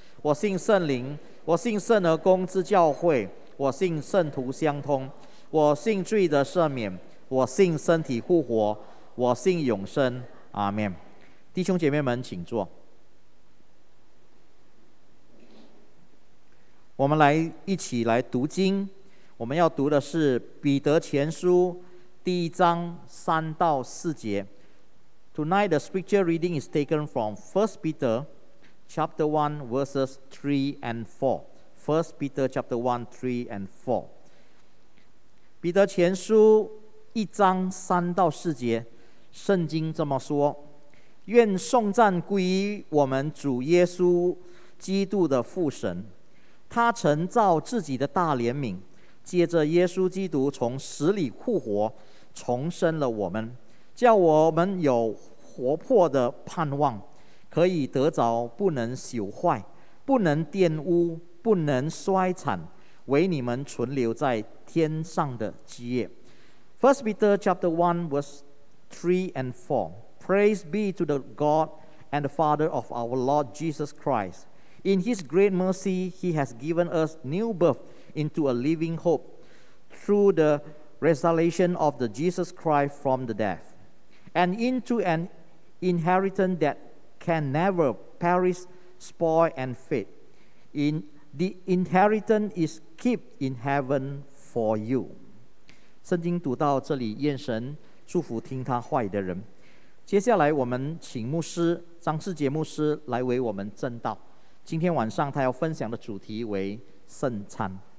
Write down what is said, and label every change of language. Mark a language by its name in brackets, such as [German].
[Chinese] 我信圣灵，我信圣而公之教会，我信圣徒相通，我信罪的赦免，我信身体复活，我信永生。阿们。弟兄姐妹们请坐。我们来一起来读经，我们要读的是彼得前书第一章三到四节。 [English] Tonight the scripture reading is taken from 1 Peter chapter 1 verses 3 and 4. 1 Peter chapter 1, 3 and 4. [Chinese] 彼得前书一章三到四节，圣经这么说：愿颂赞归于我们主耶稣基督的父神，他曾造自己的大怜悯，借着耶稣基督从死里复活，重生了我们，叫我们有活泼的盼望，可以得着不能朽坏、不能玷污、不能衰残，为你们存留在天上的基业。 [English] 1 Peter chapter 1 verse 3 and 4. Praise be to the God and the Father of our Lord Jesus Christ. In his great mercy, he has given us new birth into a living hope through the resurrection of the Jesus Christ from the dead, and into an inheritance that can never perish, spoil, and fade. The inheritance is kept in heaven for you. [Chinese] 圣经读到这里，愿神祝福听他话语的人。接下来我们请牧师张世杰牧师来为我们证道。今天晚上他要分享的主题为圣餐。